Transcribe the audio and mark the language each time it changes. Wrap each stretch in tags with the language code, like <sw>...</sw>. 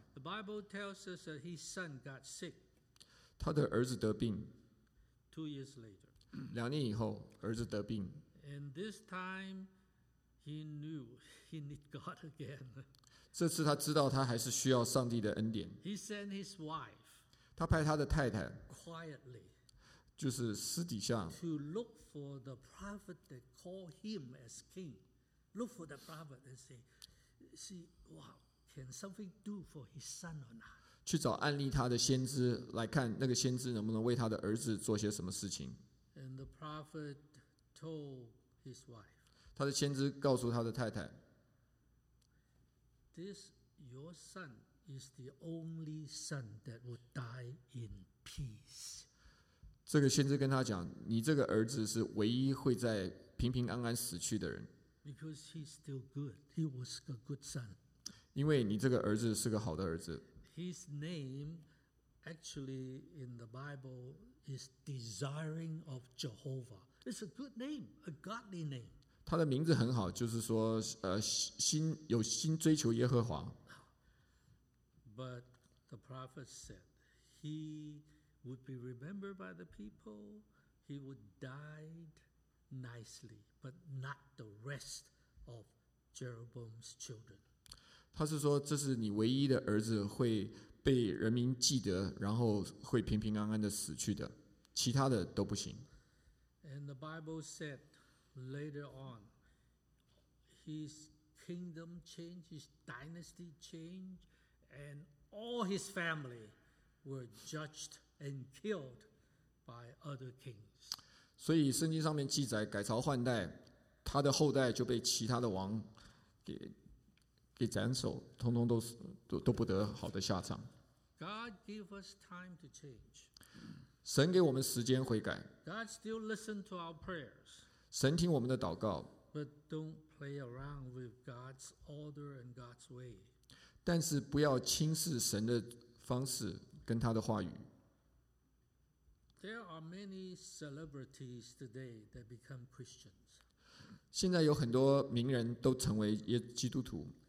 <en>The Bible tells us that his son got sick.</en> <zh>他的儿子得病。</zh> <en>2 years later,</en> <zh>两年以后，儿子得病。</zh> <en>And this time, he knew he need God again.</en> <zh>这次他知道他还是需要上帝的恩典。</zh> <en>He sent his wife.</en> <zh>他派他的太太。</zh> <en>Quietly.</en> <zh>就是私底下。</zh> <en>To look for the prophet that called him as king. Look for the prophet and say, see, wow, can something do for his son or not?</en> <zh>去找案例他的先知，来看那个先知能不能为他的儿子做些什么事情。</zh> <en>And the prophet told his wife,</en> <zh>他的先知告诉他的太太，</zh> <en>This, your son is the only son that would die in peace.</en> <zh>这个先知跟他讲，你这个儿子是唯一会在平平安安死去的人。</zh> <en>Because he's still good. He was a good son.</en> <zh>因为你这个儿子是个好的儿子。</zh> <en>His name actually in the Bible is Desiring of Jehovah. It's a good name, a godly name.</en> <zh>他的名字很好，就是说，有心追求耶和华。</zh> <en>But the prophet said he would be remembered by the people. He would die nicely, but not the rest of Jeroboam's children.</en> <zh>他是说这是你唯一的儿子会被人民记得，然后会平平安安的死去的，其他的都不行。</zh> <en>And the Bible said later on his kingdom changed, his dynasty changed, and all his family were judged and killed by other kings.</en> <zh>所以圣经上面记载改朝换代，他的后代就被其他的王 给斩首，通通 都不得好的下场。</zh> <en>God gave us time to change.</en> <zh>神给我们时间悔改。</zh> <en>God still listened to our prayers.</en> <zh>神听我们的祷告。</zh> <en>But don't play around with God's order and God's way.</en> <zh>但是不要轻视神的方式跟他的话语。</zh> <en>There are many celebrities today that become Christians.</en> <zh>现在有很多名人都成为基督徒。</zh>